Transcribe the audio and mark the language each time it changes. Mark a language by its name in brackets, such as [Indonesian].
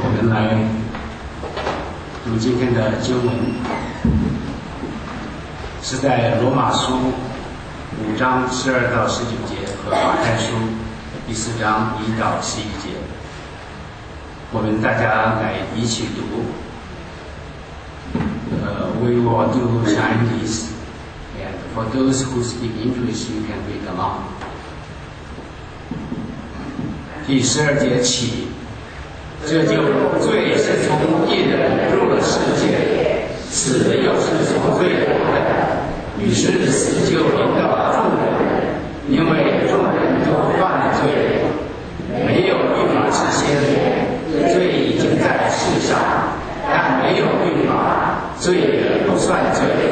[Chinese] 来读今天的经文，是在罗马书五章十二到十九节和马太书第四章一到十一节，我们大家来一起读。 [English] We will do Chinese, and for those who speak English, you can read along. [Chinese] 第十二节起，这就罪是从一人入了世界，死又是从罪得的，于是死就临到了众人，因为众人都犯了罪，没有律法之先，罪已经在世上，但没有律法，罪也不算罪。